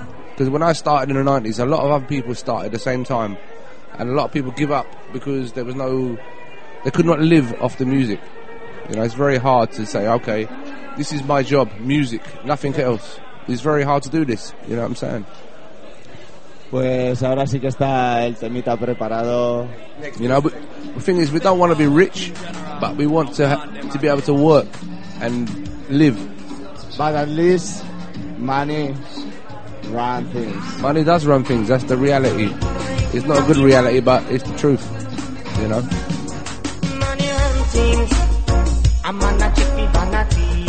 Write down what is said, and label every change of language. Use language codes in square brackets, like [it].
[en] Because when I started in the 90s, a lot of other people started at the same time. And a lot of people give up because there was no... They could not live off the music. You know, it's very hard to say, okay, this is my job, music, nothing else. It's very hard to do this, you know what I'm saying? [es] Pues ahora sí que está el temita preparado. [en] You know, the thing is, we don't want to be rich, but we want to be able to work and live. But at least money... run things. Money does run things, that's the reality. It's not a good reality, but it's the truth, you know. Money run things, I'm on a chippy vanity.